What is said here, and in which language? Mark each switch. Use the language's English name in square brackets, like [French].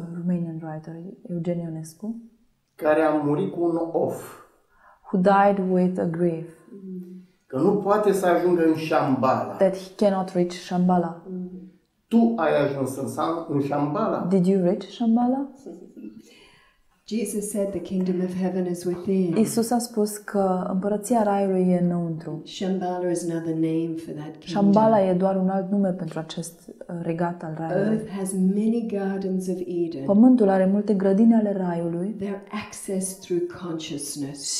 [English] Romanian writer Eugen Ionescu. [Romanian] Care a murit cu un of. [English] Who died with a grief. [Romanian] Că nu poate să ajungă în Shambhala. [English] That he cannot reach Shambhala. [Romanian] Tu ai ajuns în Shambhala. [English] Did you reach Shambhala? Jesus said the kingdom of heaven is within. [Romanian] Iisus a spus că împărăția Raiului e înăuntru. [English] Shambhala is another name for that kingdom. [Romanian] Shambhala e doar un alt nume pentru acest regat al Raiului. [English] Earth has many gardens of Eden. [Romanian] Pământul are multe grădini ale Raiului. [English] They're accessed through consciousness.